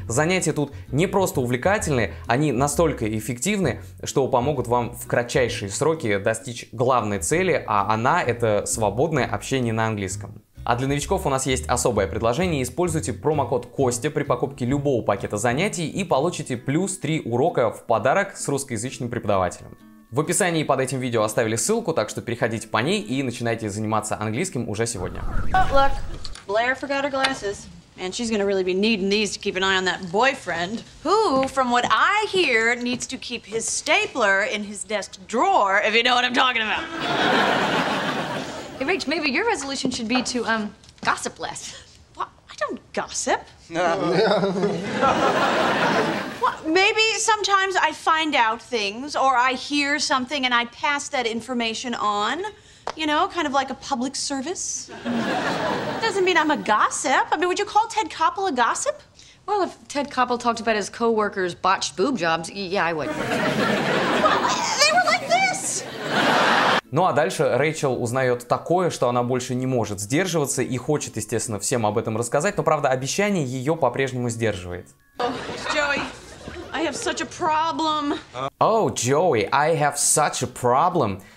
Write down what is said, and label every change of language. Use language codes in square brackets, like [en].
[ru] Занятия тут не просто увлекательные, они настолько эффективны, что помогут вам в кратчайшие сроки достичь главной цели, а она — это свободное общение на английском. А для новичков у нас есть особое предложение. Используйте промокод Костя при покупке любого пакета занятий и получите плюс 3 урока в подарок с русскоязычным преподавателем. В описании под этим видео оставили ссылку, так что переходите по ней и начинайте заниматься английским уже сегодня. [en] Oh, look, Blair forgot her glasses, and she's gonna really be needing these to keep an eye on that boyfriend, who, from what I hear, needs to keep his stapler in his desk drawer, if you know what I'm talking about. Hey, Rach, maybe your resolution should be to gossip less. What? I don't gossip. Maybe sometimes I find out things or I hear something and I pass that information on, you know, kind of like a public service. Doesn't mean I'm a gossip. I mean, would you call Ted Koppel a gossip? Well, if Ted Koppel talked about his co-workers botched boob jobs, yeah, I would. They were like this! [ru] Ну а дальше Рэйчел узнает такое, что она больше не может сдерживаться и хочет, естественно, всем об этом рассказать, но, правда, обещание ее по-прежнему сдерживает. [en] Joey. I have such a problem. Oh, Joey, I have such a problem.